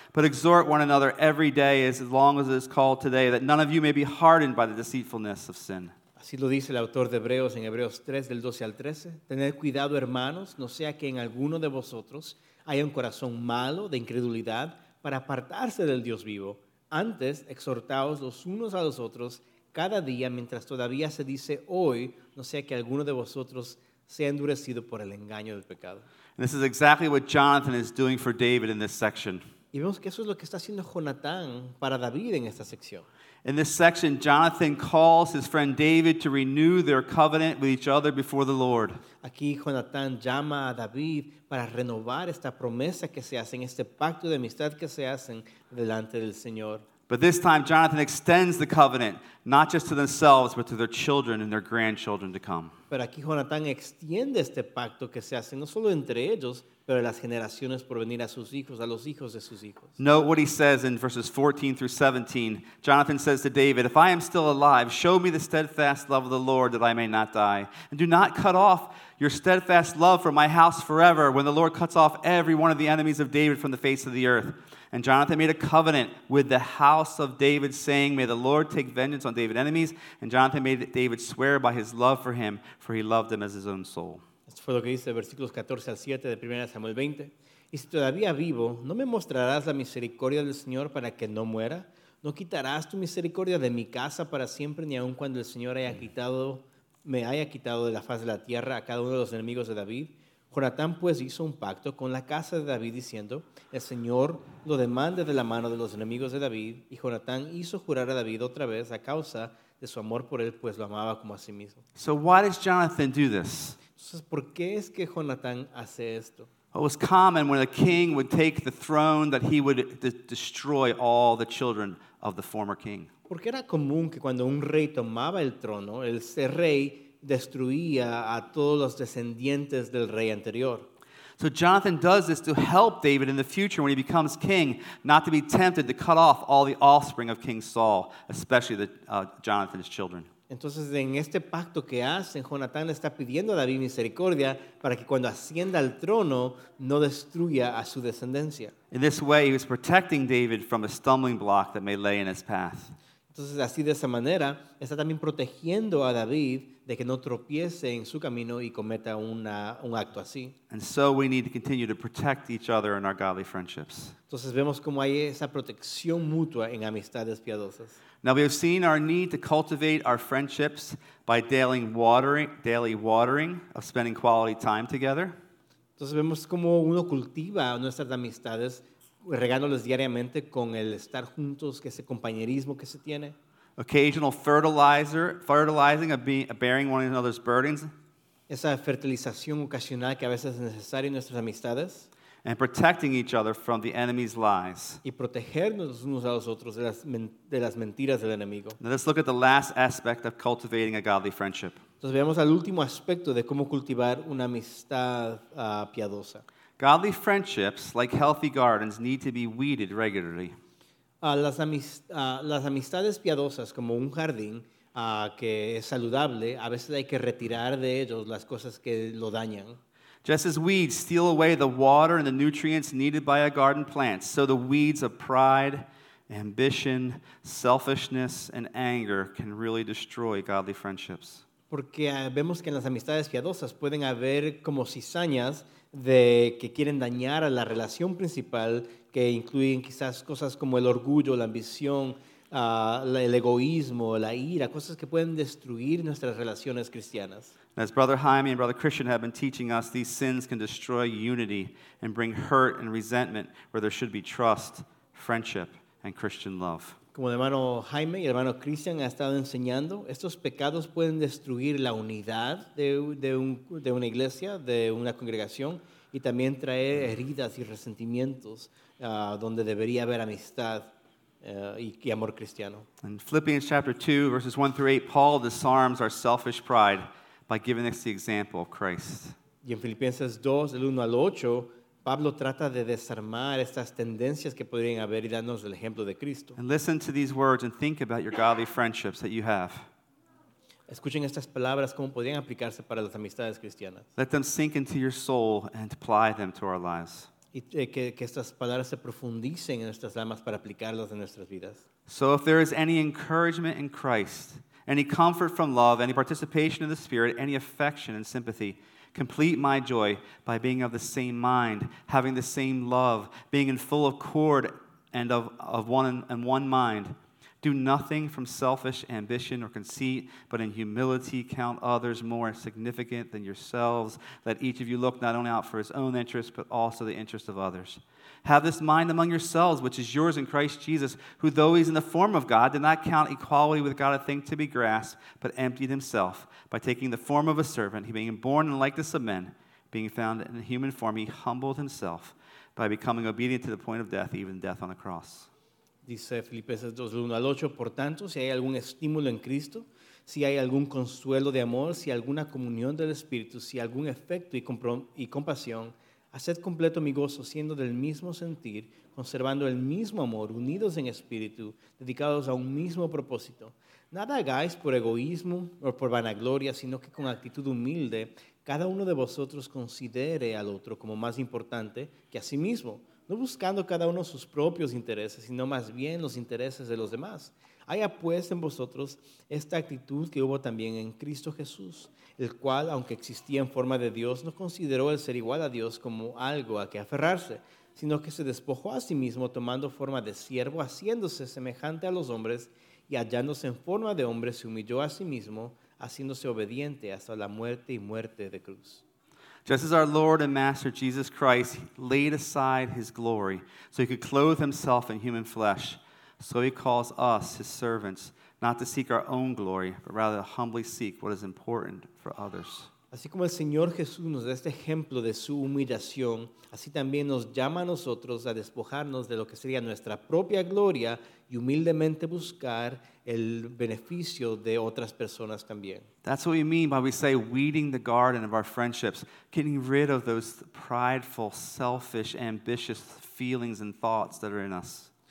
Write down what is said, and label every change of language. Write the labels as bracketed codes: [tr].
[en] But exhort one another every day as long as it is called today, that none of you may be hardened by the deceitfulness of sin. [es] Así lo dice el autor de Hebreos en Hebreos 3, del 12 al 13. Tened cuidado, hermanos, no sea que en alguno de vosotros haya un corazón malo de incredulidad para apartarse del Dios vivo. Antes, exhortaos los unos a los otros cada día, mientras todavía se dice hoy, no sea que alguno de vosotros se ha endurecido por el engaño del pecado. [en] And this is exactly what Jonathan is doing for David in this section. [es] Y vemos que eso es lo que está haciendo Jonathan para David en esta sección. [en] In this section, Jonathan calls his friend David to renew their covenant with each other before the Lord. [es] Aquí Jonathan llama a David para renovar esta promesa que se hacen, este pacto de amistad que se hacen delante del Señor. [en] But this time, Jonathan extends the covenant, not just to themselves, but to their children and their grandchildren to come. [es] Pero aquí Jonathan extiende este pacto que se hace no solo entre ellos, pero en las generaciones por venir a sus hijos, a los hijos de sus hijos. [en] Note what he says in verses 14 through 17. Jonathan says to David, if I am still alive, show me the steadfast love of the Lord that I may not die. And do not cut off your steadfast love from my house forever when the Lord cuts off every one of the enemies of David from the face of the earth. And Jonathan made a covenant with the house of David, saying, may the Lord take vengeance on David's enemies. And Jonathan made David swear by his love for him, for he loved him as his own soul. [es] Esto fue lo que dice de versículos 14 al 7 de 1 Samuel 20. Y si todavía vivo, ¿no me mostrarás la misericordia del Señor para que no muera? ¿No quitarás tu misericordia de mi casa para siempre, ni aun cuando el Señor me haya quitado de la faz de la tierra a cada uno de los enemigos de David? Jonatán pues hizo un pacto con la casa de David diciendo, el Señor lo demande de la mano de los enemigos de David. Y Jonatán hizo jurar a David otra vez a causa de su amor por él, pues lo amaba como a sí mismo. [en] So why does Jonathan do this? [es] Entonces, ¿por qué es que Jonatán hace esto? [en] It was common when a king would take the throne that he would destroy all the children of the former king. [es] Porque era común que cuando un rey tomaba el trono, ese rey destruía a todos los descendientes del rey anterior. [en] So Jonathan does this to help David in the future when he becomes king, not to be tempted to cut off all the offspring of King Saul, especially the Jonathan's children. [es] Entonces, en este pacto que hacen, Jonatán está pidiendo a David misericordia para que cuando ascienda al trono, no destruya a su descendencia. [en] In this way, he was protecting David from a stumbling block that may lay in his path. [es] Entonces, así de esa manera, está también protegiendo a David de que no tropiece en su camino y cometa un acto así. [en] And so we need to continue to protect each other in our godly friendships. [es] Entonces, vemos cómo hay esa protección mutua en amistades piadosas. [en] Now we have seen our need to cultivate our friendships by daily watering of spending quality time together. [es] Entonces vemos cómo uno cultiva nuestras amistades regándolas diariamente con el estar juntos, que ese compañerismo que se tiene. [en] Occasional fertilizing of bearing one another's burdens. [es] Esa fertilización ocasional que a veces es necesaria en nuestras amistades. [en] And protecting each other from the enemy's lies. [es] Y protegernos unos a los otros de las mentiras del enemigo. [en] Now let's look at the last aspect of cultivating a godly friendship. [es] Entonces veamos al último aspecto de cómo cultivar una amistad piadosa. [en] Godly friendships, like healthy gardens, need to be weeded regularly. [es] Las amistades piadosas, como un jardín que es saludable, a veces hay que retirar de ellos las cosas que lo dañan. [en] Just as weeds steal away the water and the nutrients needed by a garden plant, so the weeds of pride, ambition, selfishness, and anger can really destroy godly friendships. [es] Porque vemos que en las amistades piadosas pueden haber como cizañas de que quieren dañar a la relación principal, que incluyen quizás cosas como el orgullo, la ambición, el egoísmo, la ira, cosas que pueden destruir nuestras relaciones cristianas. [en] As Brother Jaime and Brother Christian have been teaching us, these sins can destroy unity and bring hurt and resentment where there should be trust, friendship, and Christian love. [es] Como el hermano Jaime y el hermano Christian han estado enseñando, estos pecados pueden destruir la unidad de una iglesia, de una congregación, y también traer heridas y resentimientos donde debería haber amistad. Y amor cristiano. [en] In Philippians chapter 2, verses 1 through 8, Paul disarms our selfish pride by giving us the example of Christ. [es] Y en Filipenses 2, del 1 al 8, Pablo trata de desarmar estas tendencias que podrían haber y darnos el ejemplo de Cristo. [en] And listen to these words and think about your godly friendships that you have. [es] Escuchen estas palabras, cómo podrían aplicarse para las amistades cristianas. [en] Let them sink into your soul and apply them to our lives. [es] Y que estas palabras se profundicen en nuestras almas para aplicarlas en nuestras vidas. [en] So if there is any encouragement in Christ, any comfort from love, any participation in the Spirit, any affection and sympathy, complete my joy by being of the same mind, having the same love, being in full accord and of one mind. Do nothing from selfish ambition or conceit, but in humility count others more significant than yourselves. Let each of you look not only out for his own interests, but also the interests of others. Have this mind among yourselves, which is yours in Christ Jesus, who though he is in the form of God, did not count equality with God a thing to be grasped, but emptied himself by taking the form of a servant. He being born in the likeness of men, being found in human form, he humbled himself by becoming obedient to the point of death, even death on the cross. [es] Dice Filipenses 2, 1 al 8, por tanto, si hay algún estímulo en Cristo, si hay algún consuelo de amor, si alguna comunión del Espíritu, si algún efecto y compasión, haced completo mi gozo, siendo del mismo sentir, conservando el mismo amor, unidos en espíritu, dedicados a un mismo propósito. Nada hagáis por egoísmo o por vanagloria, sino que con actitud humilde, cada uno de vosotros considere al otro como más importante que a sí mismo, no buscando cada uno sus propios intereses, sino más bien los intereses de los demás. Haya pues en vosotros esta actitud que hubo también en Cristo Jesús, el cual, aunque existía en forma de Dios, no consideró el ser igual a Dios como algo a que aferrarse, sino que se despojó a sí mismo tomando forma de siervo, haciéndose semejante a los hombres, y hallándose en forma de hombre, se humilló a sí mismo, haciéndose obediente hasta la muerte y muerte de cruz. [en] Just as our Lord and Master Jesus Christ laid aside his glory so he could clothe himself in human flesh, so he calls us, his servants, not to seek our own glory, but rather to humbly seek what is important for others. [es] Así como el Señor Jesús nos da este ejemplo de su humillación, así también nos llama a nosotros a despojarnos de lo que sería nuestra propia gloria y humildemente buscar el beneficio de otras personas también. [en] That's what we mean by we say weeding the garden of our friendships, getting rid of those prideful, selfish, ambitious feelings and thoughts that are in us.